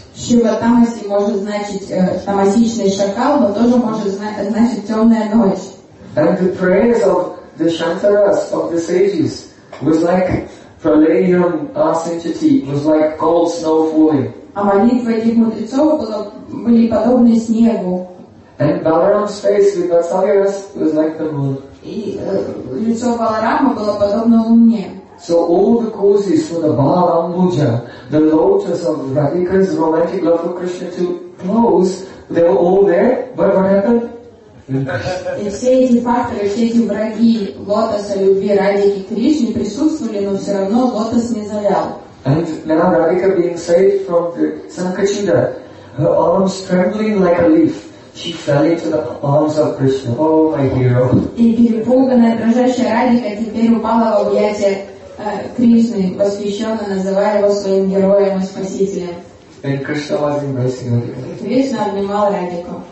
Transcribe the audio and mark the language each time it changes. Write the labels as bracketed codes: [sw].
[ru] Шива Тамаси может значить тамасичный шакал, но тоже может значить темная ночь. [en] And the prayers of the Shantaras, of the sages, was like pralayam asinchati, was like cold snow falling. [ru] А молитвы этих мудрецов были подобны снегу. [en] And Balaram's face with Vatsalya was like the moon. [ru] И лицо Баларама было подобно луне. [en] So all the causes for the Bhavambuja, the lotus of Radhika's romantic love for Krishna to close, they were all there. But what happened? [ru] И все эти факторы, все эти враги лотоса любви Радхики Кришне присутствовали, но все равно лотос не завял. [en] And now Radhika being saved from the Sankachita, her arms trembling like a leaf, she fell into the arms of Krishna. Oh, my hero! [ru] И перепуганная, дрожащая Радхика теперь упала в объятия Кришны, восхищенно называя его своим героем и спасителем. [en] And Krishna was embracing her. [ru] Кришна обнимал Радхику.